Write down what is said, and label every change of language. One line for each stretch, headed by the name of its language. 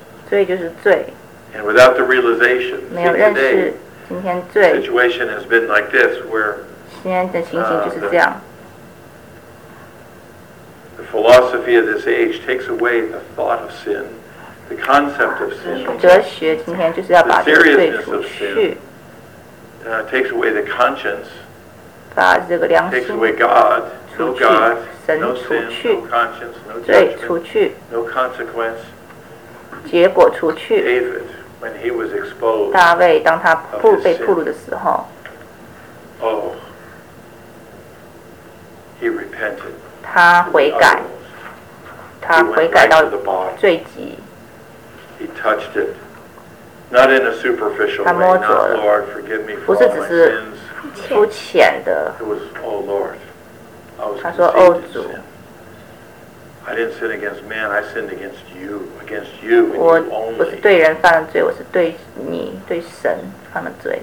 Chinese: 罪就是罪。
English: And without the realization,
Chinese: 没有认识今天罪。
English: The situation has been like this, where
Chinese: 今天的情形就是这样。
English: The philosophy of this age takes away the thought of sin, the concept of sin.
Chinese: 哲学今天就是要把这个罪除去。
English: Takes away the conscience.
Chinese: 把这个良心。
English: Takes away God, no God, no sin, no conscience, no judgment,
Chinese: 除去。
English: No consequence.
Chinese: 结果除去。
English: David, when he was exposed,
Chinese: 大卫当他被暴露的时候
English: ，Oh, he repented.
Chinese: 他悔改，他悔改到最极。
English: He touched it Not in a superficial way, not, Lord, forgive me for all my sins.
Chinese: 不浅的,
English: it was, oh Lord, I was
Chinese: 他说,
English: conceived in sin. I didn't sin against man, I sinned against you and you only.
Chinese: 我不是对人犯了罪, 我是对你, 对神犯了罪。